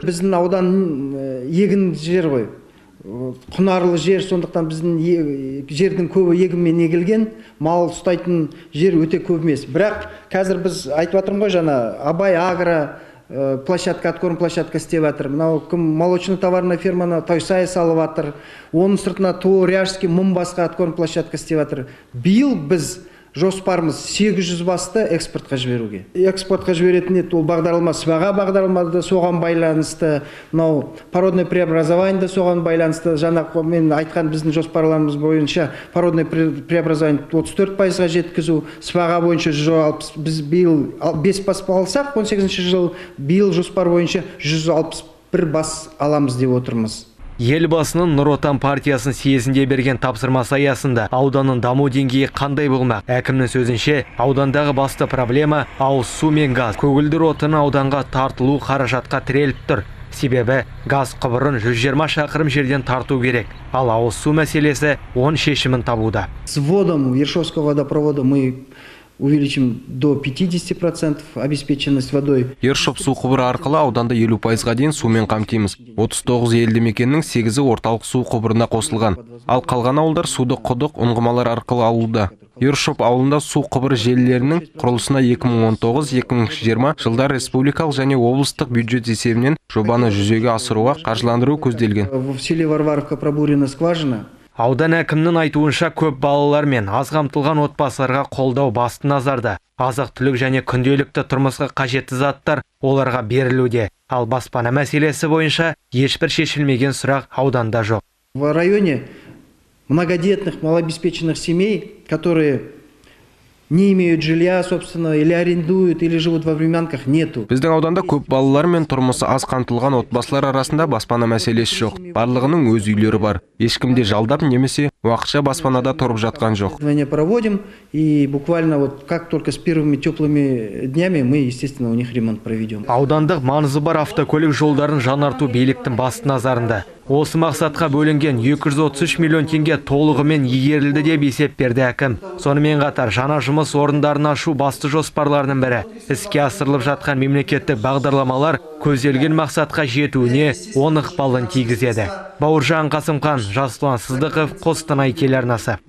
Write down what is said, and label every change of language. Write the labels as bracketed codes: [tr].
[kk] Біздің аудан егін жер ғой. Құнарлы жер, сондықтан біздің жердің көбі егінмен егілген, мал ұстайтын жер өте көп емес. Бірақ қазір біз айтып отырмын ғой жаңа, Абай агро площадка, [ru] откорм площадка [kk] істеп жатыр. Мынау кім [ru] молочный товарный [kk] ферманы Тойсай салып жатыр. Оның сыртына Туу, Ряжский, мың басқа [ru] откорм площадка [kk] істеп жатыр. Биыл біз жоспарымыз 800 басты экспортқа жіберуге. Экспортқа жіберетін ол бағдарлама сыбаға бағдарламасы да соған байланысты, мынау [ru] породный преобразование [kk] да соған байланысты. Жаңа мен айтқан біздің жоспарларымыз бойынша [ru] породный преобразование [kk] 34%-ға жеткізу, сыбаға бойынша 160, біз биыл 5 бас алсақ 18-ші жыл биыл жоспар бойынша 161 бас аламыз деп отырмыз. Елбасының Нұр Отан партиясын съезінде берген тапсырмасы аясында ауданның даму деңгейі қандай болмақ? Әкімнің сөзінше, аудандағы басты проблема ауыз су мен газ. Көгілдір отын ауданға тартылу қаражатқа тіреліп тұр. Себебі газ құбырын 120 шақырым жерден тарту керек. Ал ауыз су мәселесі он шешімін табуда. [ru] С водом Ершовского водопровода мы увеличим до 50% обеспеченность водой. [kk] Ершов су құбыры арқылы ауданды 50%-ға дейін сумен қамтимыз. 39 елді мекеннің 8-і орталық су құбырына қосылған. Ал қалған ауылдар суды құдық, ұңғымалар арқылы алуда. Ершов ауылында су құбыры желілерінің құрылысына 2019-2020 жылдар республикалық және облыстық бюджет есебінен жобаны жүзеге асыруға қаржыландыру көзделген. [ru] В селе Варваровка пробурена скважина. [kk] Аудан әкімінің айтуынша, көп балалар мен аз қамтылған отбасыларға қолдау басты назарда. Азық-түлік және күнделікті тұрмысқа қажетті заттар оларға берілуде. Ал баспана мәселесі бойынша ешбір шешілмеген сұрақ ауданда жоқ. [ru] В районе многодетных, малообеспеченных семей, которые не имеют жилья собственно или арендуют или живут во временках нету. [kk] Біздің ауданда көп балалар мен тұрмысы аз қамтылған отбасылар арасында баспана мәселесі жоқ. Барлығының өз үйлері бар. Ешкімде жалдап немесе уақытша баспанада тұрып жатқан жоқ. [ru] Мы проводим и буквально вот как только с первыми теплыми днями мы естественно у них ремонт проведем. [kk] Аудандық маңызы бар автокөлік жолдарын жаңарту биліктің басты назарында. Осы мақсатқа бөлінген 233 миллион теңге толығымен игерілді деп есеп берді әкім. Сонымен қатар жаңа жұмыс орындарын ашу басты жоспарларының бірі. Іске асырылып жатқан мемлекеттік бағдарламалар көзделген мақсатқа жетуіне оң ықпалын тигізеді. Бауыржан Қасымхан, Жасұлан Сыздықов, Қостанай телеарнасы.